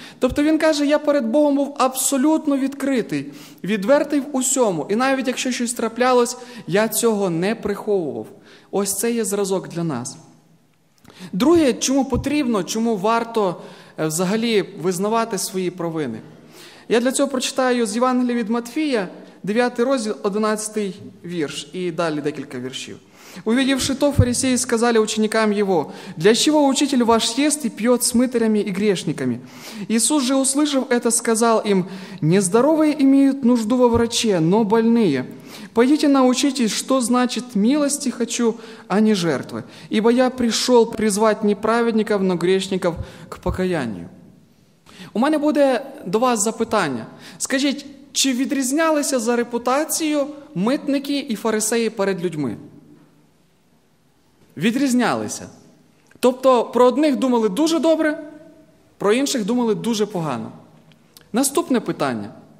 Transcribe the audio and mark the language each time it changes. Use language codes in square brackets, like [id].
[uk] Тобто він каже, я перед Богом був абсолютно відкритий, відвертий в усьому, і навіть якщо щось траплялось, я цього не приховував. Ось це є зразок для нас. Друге, чому потрібно, чому варто взагалі визнавати свої провини? Я для цього прочитаю з Євангелія від Матфія, 9 розділ, 11 вірш, і далі декілька віршів. [ru] Увидевши то, фарисеи сказали ученикам его, «Для чего учитель ваш ест и пьет с мытарями и грешниками?» Иисус же, услышав это, сказал им, «Нездоровые имеют нужду во враче, но больные. Пойдите научитесь, что значит милости хочу, а не жертвы, ибо я пришел призвать не праведников, но грешников к покаянию». [uk] У мене буде до вас запитання. Скажіть, чи відрізнялися за репутацією митники і фарисеї перед людьми? Відрізнялися. Тобто про одних думали дуже добре, про інших думали дуже погано. Наступне питання.